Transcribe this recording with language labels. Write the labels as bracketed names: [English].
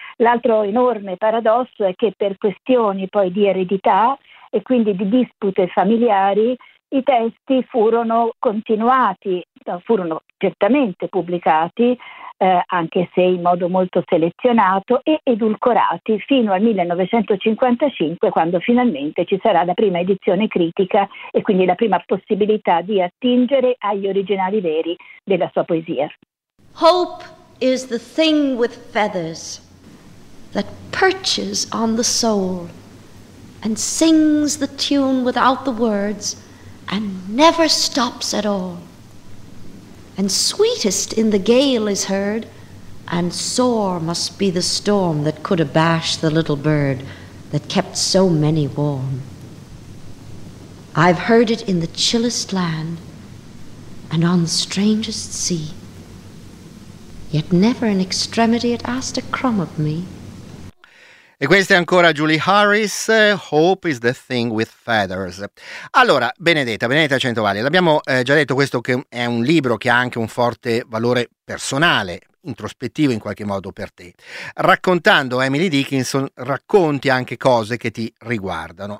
[Italian] L'altro enorme paradosso è che per questioni poi di eredità e quindi di dispute familiari, i testi furono continuati, furono certamente pubblicati, anche se in modo molto selezionato, e edulcorati fino al 1955, quando finalmente ci sarà la prima edizione critica e quindi la prima possibilità di attingere agli originali veri della sua poesia. [English] Hope is the thing with feathers that perches on the soul and sings the tune without the words and never stops at all. And sweetest in the gale is heard, and sore must be the storm that could abash the little bird that kept so many warm. I've heard it in the chillest land and on the strangest sea, yet never in extremity it asked a crumb of me. [Italian] E questa è ancora Julie Harris, Hope is the thing with feathers. Allora, Benedetta Centovalli, l'abbiamo già detto, questo che è un libro che ha anche un forte valore personale, introspettivo in qualche modo per te. Raccontando Emily Dickinson, racconti anche cose che ti riguardano.